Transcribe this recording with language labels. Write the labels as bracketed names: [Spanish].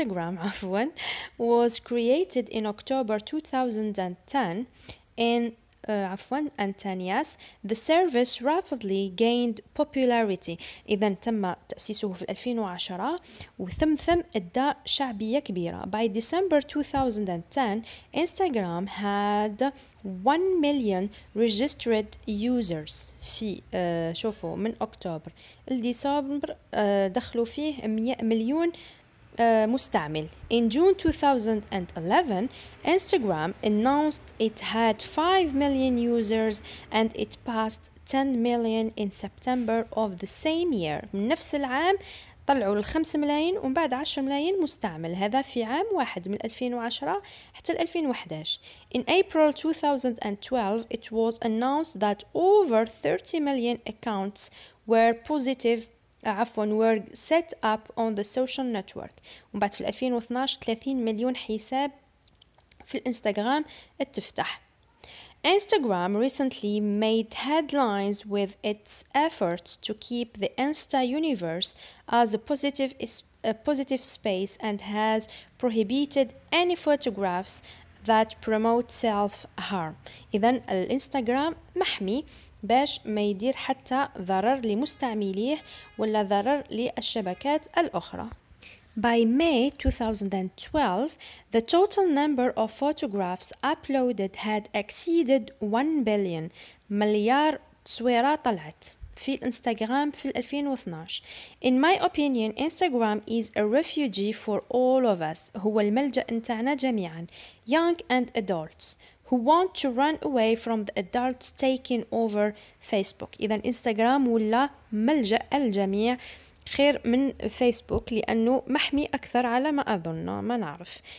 [English] Instagram was created in October 2010 and Tanias, the service rapidly gained popularity. [Arabic] إذا تم تأسيسه في 2010 وثمثم أدى شعبية كبيرة. [English] By December 2010, Instagram had 1 million registered users. [Arabic] في شوفوا من أكتوبر لديسمبر دخلوا فيه 100 مليون مستعمل. [English] In June 2011, Instagram announced it had 5 million users and it passed 10 million in September of the same year. [Arabic] من نفس العام طلعوا الخمس ملايين ومن بعد 10 ملايين مستعمل، هذا في عام واحد من 2010 حتى 2011. [English] In April 2012, it was announced that over 30 million accounts were positive were set up on the social network. [Arabic] ومن بعد في 2012 30 مليون حساب في الانستغرام اتفتح. [English] Instagram recently made headlines with its efforts to keep the Insta universe as a positive space and has prohibited any photographs that promote self-harm. [Arabic] إذن الانستغرام محمي باش ما يدير حتى ضرر لمستعمليه ولا ضرر للشبكات الأخرى. [English] By May 2012, the total number of photographs uploaded had exceeded 1 billion. [Arabic] مليار صورة طلعت في الانستغرام في 2012. [English] In my opinion, Instagram is a refuge for all of us. [Arabic] هو الملجأ نتاعنا جميعا. [English] Young and adults who want to run away from the adults taking over Facebook. [Arabic] إذا إنستغرام ولا ملجأ الجميع خير من فيسبوك لأنه محمي أكثر على ما أظن، ما نعرف.